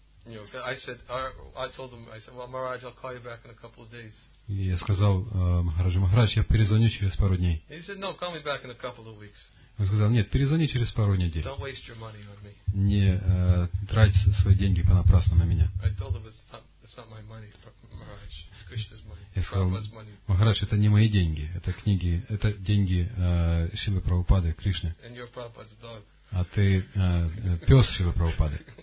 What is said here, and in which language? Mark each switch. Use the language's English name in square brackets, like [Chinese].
[English] You know, I told him, well, Maharaj, I'll call you back in a couple of days. [Russian] И я сказал Махараджу, Махарадж, я перезвоню через пару дней. [English] He said, no, call me back in a couple of weeks. [Russian] Он сказал, нет, перезвони через пару недель. [English] Don't waste your money on me. [Russian] Не трать свои деньги понапрасну на меня. [English] I told him, it's not my money, Maharaj. It's Krishna's money. [Russian] Я сказал, Махарадж, это не мои деньги, это книги, это деньги Шрилы Прабхупады, Кришны. [English] And your Prabhupada's dog. [Russian] А ты пес Шрилы Прабхупады.